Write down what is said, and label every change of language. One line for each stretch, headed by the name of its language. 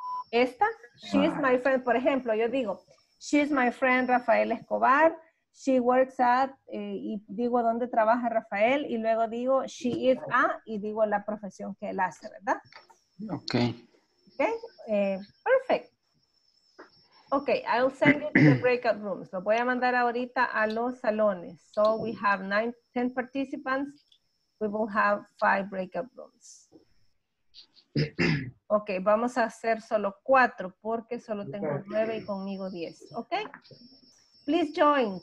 Spanish: Esta,
English: she is my friend,
Spanish: por ejemplo, yo digo,
English: she is my friend Rafael Escobar. She works at,
Spanish: y digo dónde trabaja Rafael, y luego digo
English: she is a,
Spanish: y digo la profesión que él hace, ¿verdad?
English: Ok. Ok, perfect. Ok, I'll send you to the breakout rooms.
Spanish: Lo voy a mandar ahorita a los salones.
English: So we have 9, 10 participants. We will have 5 breakout rooms.
Spanish: Ok, vamos a hacer solo 4 porque solo tengo 9 y conmigo 10. Ok.
English: Please join.